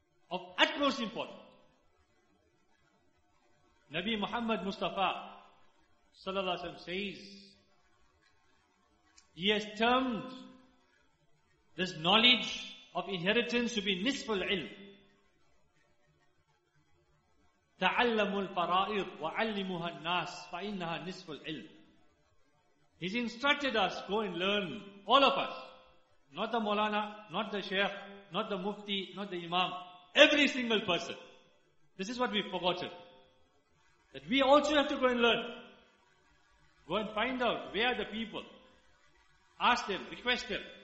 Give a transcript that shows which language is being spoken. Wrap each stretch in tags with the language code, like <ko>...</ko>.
<en>Of utmost importance. Nabi Muhammad Mustafa sallallahu alaihi wasallam says, he has termed this knowledge of inheritance to be nisful ilm.</en> <ar>تعلموا الفرائض وعلموها الناس فإنها نصف العلم.</ar> <en>He's instructed us, go and learn, all of us, not the Maulana, not the Sheikh, not the Mufti, not the Imam, every single person. This is what we've forgotten, that we also have to go and learn, go and find out where are the people, ask them, request them.</en>